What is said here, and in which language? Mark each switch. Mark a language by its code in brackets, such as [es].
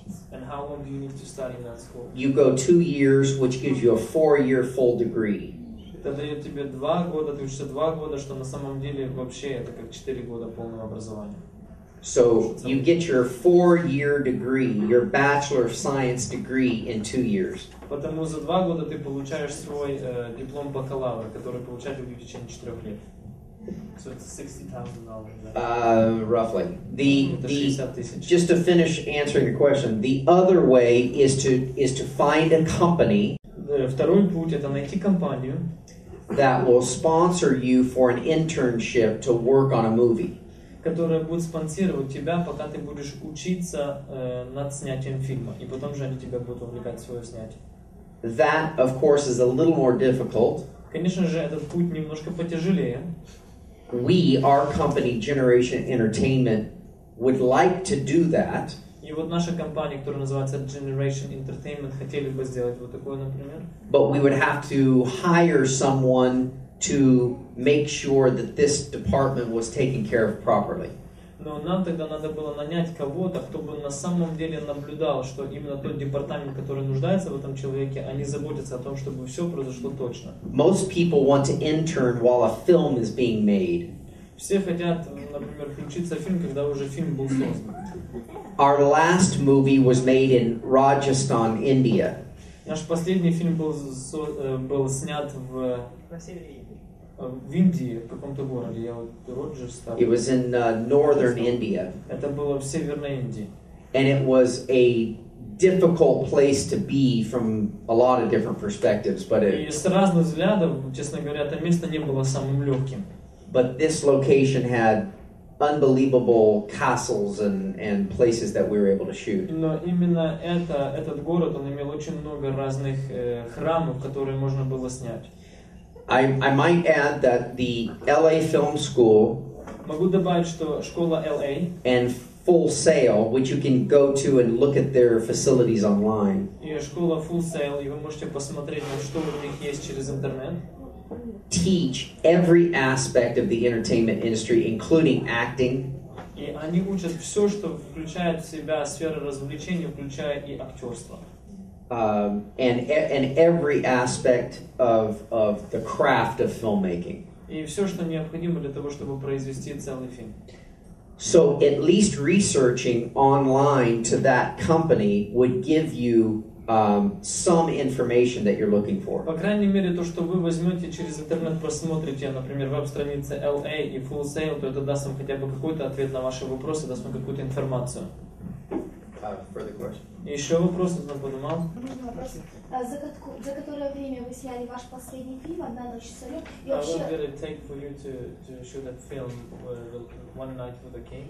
[en] And how long do you need to study in that school? You go 2 years, which gives you a 4-year full degree. [ru] Это дает тебе 2 года, ты учишься 2 года, что на самом деле вообще это как 4 года полного образования. [en] So you get your 4-year degree, your Bachelor of Science degree in 2 years. [ru] Потому за 2 года ты получаешь свой диплом бакалавра, который получать будешь в течение 4 лет. [en] So it's $60,000. Roughly. The just to finish answering the question, the other way is to find a company. [ru] Второй путь это найти компанию [en] that will sponsor you for an internship to work on a movie. [ru] Которая будет спонсировать тебя, пока ты будешь учиться над снятием фильма. И потом же они тебя будут увлекать в свое снятие. [en] That, of course, is a little more difficult. [ru] Конечно же, этот путь немножко потяжелее. [en] We, our company, Generation Entertainment, would like to do that. [ru] И вот наша компания, которая называется Generation Entertainment, хотели бы сделать вот такое, например. [en] But we would have to hire someone to make sure that this department was taken care of properly. [ru] Но нам тогда надо было нанять кого-то, кто бы на самом деле наблюдал, что именно тот департамент, который нуждается в этом человеке, они заботятся о том, чтобы все произошло точно. [en] Most people want to intern while a film is being made. [ru] Все хотят, например, включиться в фильм, когда уже фильм был создан. [en] Our last movie was made in Rajasthan, India. [ru] Наш последний фильм был снят в в Индии, в каком-то городе, я вот Роджерстан. [en] It was in northern India. [ru] Это было в Северной Индии. [en] And it was a difficult place to be from a lot of different perspectives, but it... [ru] И с разных взглядов, честно говоря, это место не было самым легким. [en] But this location had unbelievable castles and places that we were able to shoot. [ru] Но именно этот город, он имел очень много разных храмов, которые можно было снять. [en] I might add that the LA Film School, [ru] могу добавить, что школа LA [en] and Full Sail, which you can go to and look at their facilities online. [ru] И школа Full Sail, и вы можете посмотреть, что у них есть через интернет. [en] Teach every aspect of the entertainment industry, including acting. [ru] И они учат все, что включает в себя сферу развлечений, включая и актерство. [en] And every aspect of the craft of filmmaking. [ru] И все, что необходимо для того, чтобы произвести целый фильм. [en] So at least researching online to that company would give you some information that you're looking for. [ru] По крайней мере, то, что вы возьмете через интернет, просмотрите, например, веб-страницы LA и Full Sail, то это даст вам хотя бы какой-то ответ на ваши вопросы, даст вам какую-то информацию. Еще вопрос, я поднимал. За которое время вы сняли ваш последний фильм «Одна ночь с царем»? [en] How long did it take for you to shoot that film «One Night with the King»?